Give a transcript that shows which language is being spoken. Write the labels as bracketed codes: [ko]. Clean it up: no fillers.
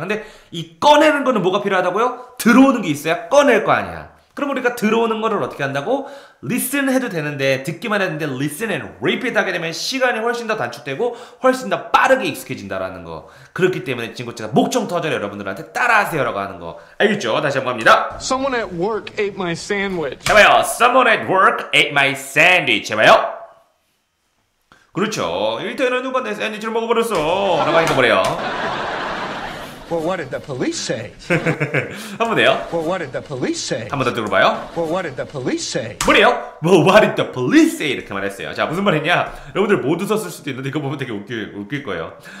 [ko] 근데 이 꺼내는 거는 뭐가 필요하다고요? 들어오는 게 있어야 꺼낼 거 아니야. 그럼 우리가 들어오는 거를 어떻게 한다고? listen 해도 되는데, 듣기만 했는데 [en] listen and repeat [ko] 하게 되면 시간이 훨씬 더 단축되고 훨씬 더 빠르게 익숙해진다라는 거. 그렇기 때문에 진코치가 목청 터져요. 여러분들한테 따라하세요라고 하는 거. 알겠죠? 다시 한번 갑니다. [en] Someone at work ate my sandwich. [ko] 해봐요. [en] Someone at work ate my sandwich. [ko] 해봐요. 그렇죠. 일단은 누가 내 샌드위치를 먹어버렸어. 라고 하니까 뭐래요? [en] Well, what did the police say? [ko] 한번 해요. [en] Well, what did the police say? [ko] 한번 더 들어봐요. [en] Well, what did the police say? [ko] 뭐래요? [en] Well, what did the police say? [ko] 이렇게 말했어요. 자, 무슨 말했냐? 여러분들 모두 썼을 수도 있는데 이거 보면 되게 웃길 거예요.